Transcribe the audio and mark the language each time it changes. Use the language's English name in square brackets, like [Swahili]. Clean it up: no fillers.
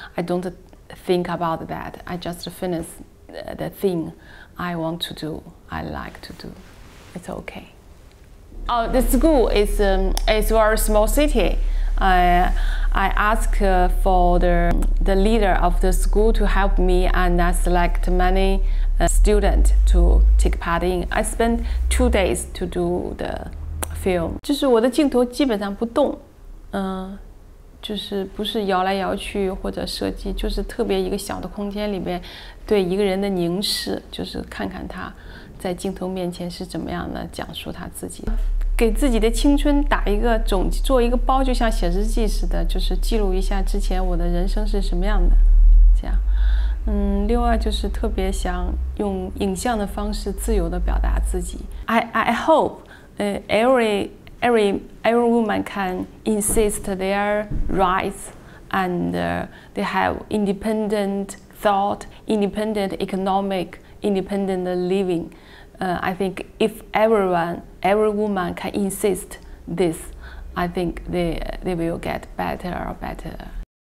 [English] I don't think about that. I just finished the thing I want to do, I like to do. It's okay. Oh, the school is it's a very small city. I asked for the leader of the school to help me, and I select many students to take part in. I spent 2 days to do the film. [Chinese] 就是我的镜头基本上不动，就是不是摇来摇去或者设计，就是特别一个小的空间里面，对一个人的凝视，就是看看他在镜头面前是怎么样的讲述他自己。给自己的青春打一个总做一个包，就像写日记似的，就是记录一下之前我的人生是什么样的，这样。另外就是特别想用影像的方式自由地表达自己。 [English] I hope every woman can insist their rights and they have independent thought, independent economic, independent living. I think if every woman can insist this, I think they will get better or better.